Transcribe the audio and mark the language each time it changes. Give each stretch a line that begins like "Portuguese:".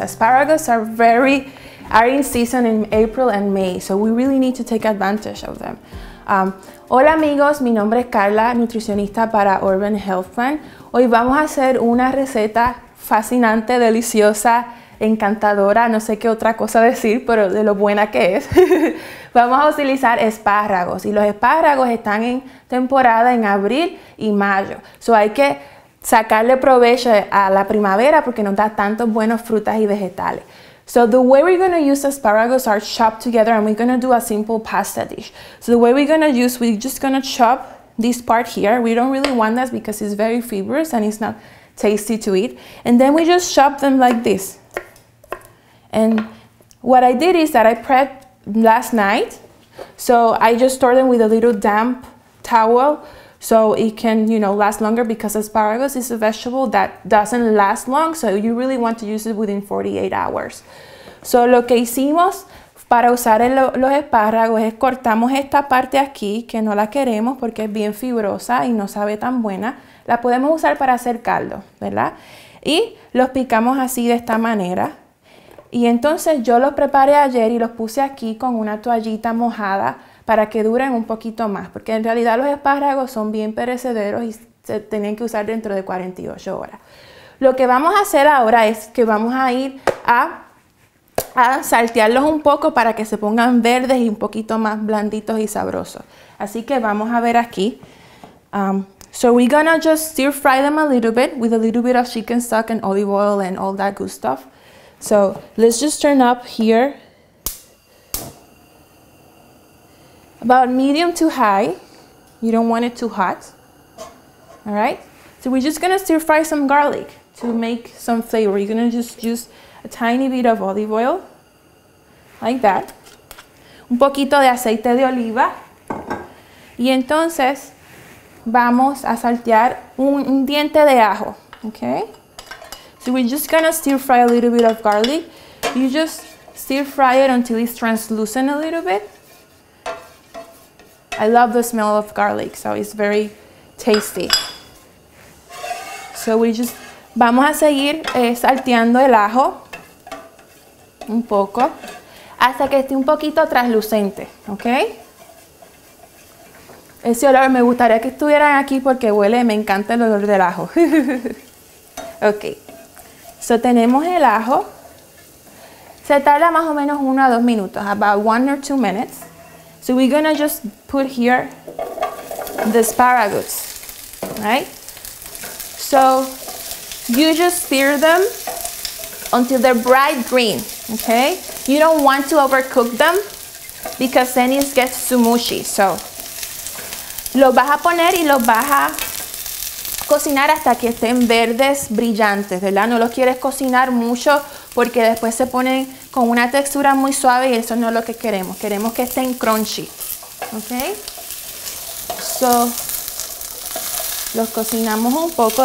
English: Asparagus are in season in April and May, so we really need to take advantage of them.
Spanish: Hola amigos, mi nombre es Karla, nutricionista para Urban Health Plan. Hoy vamos a hacer una receta fascinante, deliciosa, encantadora, no sé qué otra cosa decir, pero de lo buena que es. Vamos a utilizar espárragos y los espárragos están en temporada en abril y mayo. So hay que sacarle provecho a la primavera porque nos da tantos buenos frutas y vegetales.
English: So the way we're going to use asparagus are chopped together and we're going to do a simple pasta dish. So the way we're going to use, we're just going to chop this part here. We don't really want this because it's very fibrous and it's not tasty to eat. And then we just chop them like this. And what I did is that I prepped last night, so I just store them with a little damp towel so it can, you know, last longer, because asparagus is a vegetable that doesn't last long, so you really want to use it within 48 hours.
Spanish: So lo que hicimos para usar los espárragos es cortamos esta parte aquí que no la queremos porque es bien fibrosa y no sabe tan buena. La podemos usar para hacer caldo, ¿verdad? Y los picamos así de esta manera. Y entonces yo los preparé ayer y los puse aquí con una toallita mojada para que duren un poquito más, porque en realidad los espárragos son bien perecederos y se tienen que usar dentro de 48 horas. Lo que vamos a hacer ahora es que vamos a ir a saltearlos un poco para que se pongan verdes y un poquito más blanditos y sabrosos. Así que vamos a ver aquí.
English: So we're gonna just stir fry them a little bit with a little bit of chicken stock and olive oil and all that good stuff. So let's just turn up here about medium to high. You don't want it too hot. All right. So we're just going to stir fry some garlic to make some flavor. You're going to just use a tiny bit of olive oil like that.
Spanish: Un poquito de aceite de oliva. Y entonces vamos a saltear un diente de ajo.
English: Okay. So we're just gonna stir fry a little bit of garlic. You just stir fry it until it's translucent a little bit. I love the smell of garlic, so it's very tasty. So we just,
Spanish: vamos a seguir salteando el ajo un poco hasta que esté un poquito translucente, okay? Ese olor, me gustaría que estuvieran aquí porque huele, me encanta el olor del ajo. Okay. So tenemos el ajo, se tarda más o menos 1 a 2 minutos,
English: about 1 or 2 minutes. So we're gonna just put here the asparagus, right? So you just stir them until they're bright green, okay? You don't want to overcook them because then it gets too mushy.
Spanish: So los vas a poner y los vas a cocinar hasta que estén verdes brillantes, ¿verdad? No los quieres cocinar mucho porque después se ponen con una textura muy suave y eso no es lo que queremos. Queremos que estén crunchy, ¿ok? So, los cocinamos un poco.